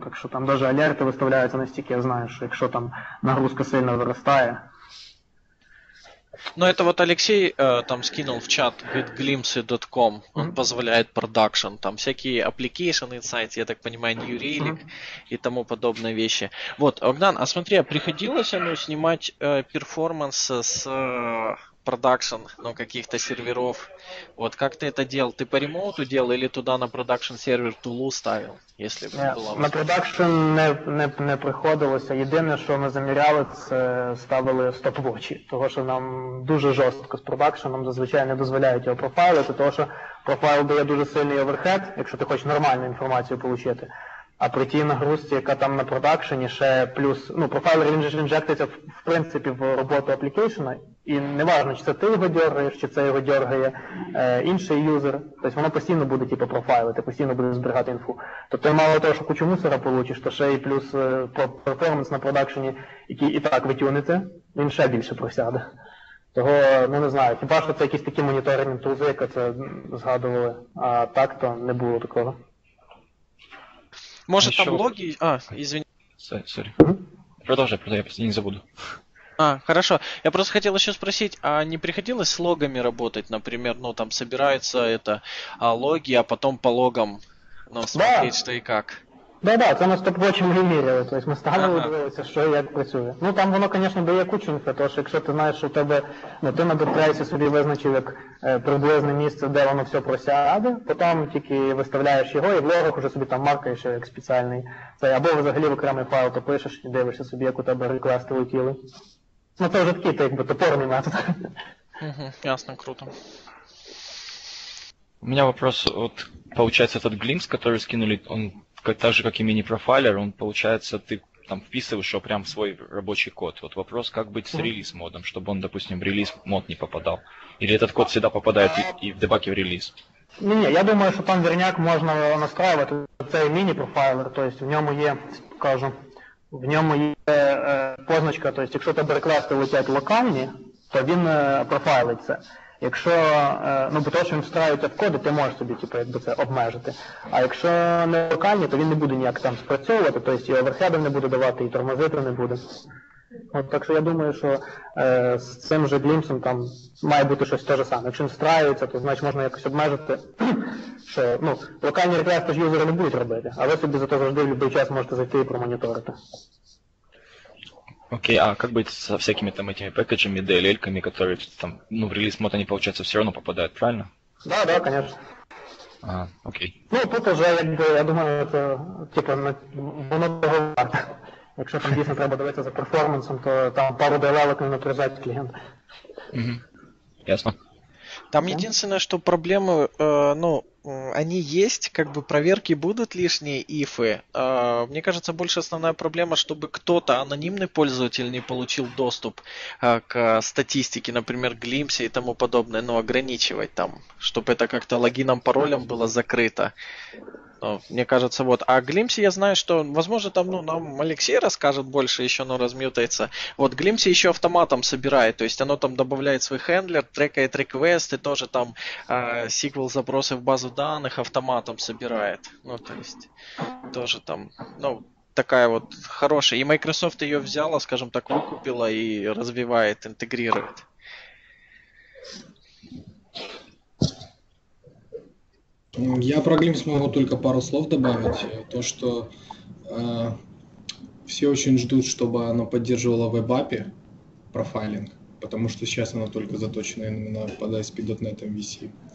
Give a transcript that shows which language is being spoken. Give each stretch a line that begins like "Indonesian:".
Ukrainian: Так що там навіть алерти виставляються настільки, я знаю, що якщо там нагрузка сильно виростає.
Russian: Ну, это вот Алексей там скинул в чат getglimpsy.com, он позволяет продакшн, там всякие application insights, я так понимаю, New Relic и тому подобные вещи. Вот, Огнан, а смотри, а приходилось ему снимать перформанс с продакшн, ну, каких-то серверов? Вот, как ты это делал? Ты по ремоуту делал или туда на продакшн сервер Тулу ставил, если бы была возможность?
Ukrainian: На продакшн не приходилося. Єдине, що ми заміряли, це ставили стоп-вочі. Того, що нам дуже жорстко з продакшеном, зазвичай не дозволяють його профайлити. Того, що профайл дає дуже сильний оверхед, якщо ти хочеш нормальну інформацію отримати. А при тій нагрузці, яка там на продакшені, ще плюс, ну, профайлер інжектиться в принципі в роботу аплікейшена, і не важно, чи це ти його дергаєш, чи це його дергає інший юзер. Тобто воно постійно буде, типу, профайлити, постійно буде зберігати інфу. Тобто мало того, що кучу мусора получиш, то ще й плюс перформанс на продакшені, який і так витюнити, він ще більше просяде. Того, ну не знаю, хіба що це якісь такі моніторинг тузи, яка це згадували, а так то не було такого.
Russian: Может еще... там логи... А, извини. Сори. Продолжай, я не забуду. А, хорошо. Я просто хотел еще спросить, а не приходилось с логами работать, например, ну там собираются это логи, а потом по логам, ну, смотреть, да. Что и как?
Ukrainian: Да, це на стоп-вочі ми міряли. Тобто ми ставили, ага. Дивилися, що і як працює. Ну там воно, звісно, дає кучу інфа, тому що якщо ти знаєш, що у тебе, ну ти на Dotrace собі визначив як приблизне місце, де воно все просяде, потім тільки виставляєш його і в логах уже собі там маркаєш як спеціальний цей, або взагалі в окремий файл то пишеш і дивишся собі, як у тебе реквести летіли. Ну це вже такий, якби топорний метод. Ясно, круто. У мене
Russian: вопрос,
Ukrainian: от виходить, цей глімс, який скинули, он.
Russian: Так же, как и мини-профайлер, он получается, ты там вписываешь его прям в свой рабочий код. Вот вопрос, как быть с релиз-модом, чтобы он, допустим, в релиз-мод не попадал? Или этот код всегда попадает и в дебаге в релиз? Не, я думаю, что там верняк можно настраивать. Это мини-профайлер, то есть в нем есть, скажем, в нем есть позначка, то есть если тебе реквесты летят локальные, то он профайлится.
Ukrainian: Якщо, ну, бо то, що він встраюється в коди, ти можеш собі, типу, якби це обмежити. А якщо не локальні, то він не буде ніяк там спрацьовувати, тобто і оверхеду не буде давати, і тормозити не буде. От, так що я думаю, що з цим же глімсом там має бути щось те ж саме. Якщо він встраюється, то значить можна якось обмежити, що, ну, локальні реквести ж юзери не будуть робити, а ви собі зато завжди в будь-який час можете зайти і промоніторити.
Russian: Окей, а как быть со всякими там этими пэкэджами, DLL-ками, которые там, ну, в релиз-мод они, получается, все равно попадают, правильно? Да, да, конечно. А, окей. Ну, тут уже, я думаю, это, типа,
Ukrainian: воно того варто. Якщо там дійсно треба дивитися за перформансом, то там пару DLL-ок не напряжать клієнт. Угу, ясно.
Russian: Там единственное, что проблемы, ну, они есть, как бы проверки будут лишние, ифы. Мне кажется, больше основная проблема, чтобы кто-то, анонимный пользователь, не получил доступ к статистике, например, Glimpse и тому подобное, но ограничивать там, чтобы это как-то логином, паролем было закрыто. Но, мне кажется, вот. А Glimpse, я знаю, что, возможно, там, ну, нам Алексей расскажет больше, еще оно размьютается. Вот Glimpse еще автоматом собирает, то есть оно там добавляет свой хендлер, трекает реквесты, тоже там SQL запросы в базу данных автоматом собирает. Ну, то есть, тоже там, ну, такая вот хорошая. И Microsoft ее взяла, скажем так, выкупила и развивает, интегрирует. Я про Glimpse могу только пару слов добавить. То, что все очень ждут, чтобы оно поддерживало веб-апи, профайлинг. потому что сейчас она только заточена именно под ASP.NET MVC.